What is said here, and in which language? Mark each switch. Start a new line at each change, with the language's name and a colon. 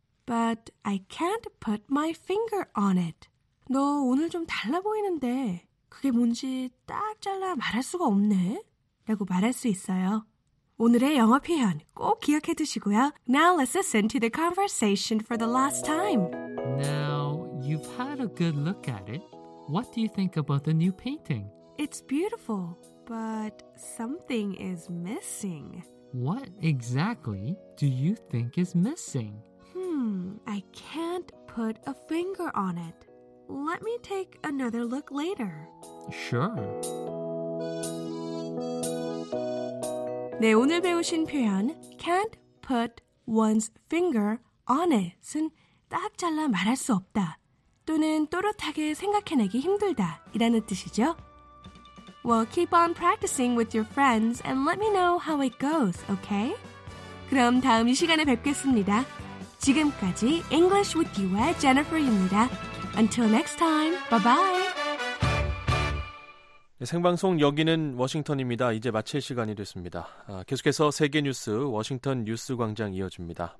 English: But I can't put my finger on it.
Korean: 너 오늘 좀 달라 보이는데 그게 뭔지 딱 잘라 말할 수가 없네. 라고 말할 수 있어요. 오늘의 영어 표현 꼭 기억해 두시고요.
English: Now let's listen to the conversation for the last time. Now, you've had a good look at it. What do you think about the new painting? It's beautiful, but something is missing. What exactly do you think is missing? I can't put a finger on it. Let me take another look later. Sure.
Korean: 네, 오늘 배우신 표현 can't put one's finger on it은 딱 잘라 말할 수 없다 또는 또렷하게 생각해내기 힘들다 이라는 뜻이죠.
English: Well, keep on practicing with your friends and let me know how it goes, okay?
Korean: 그럼 다음 이 시간에 뵙겠습니다. 지금까지 English with You의 Jennifer입니다.
English: Until next time, bye-bye.
Korean: 네, 생방송 여기는 워싱턴입니다. 이제 마칠 시간이 됐습니다. 아, 계속해서 세계 뉴스 워싱턴 뉴스 광장 이어집니다.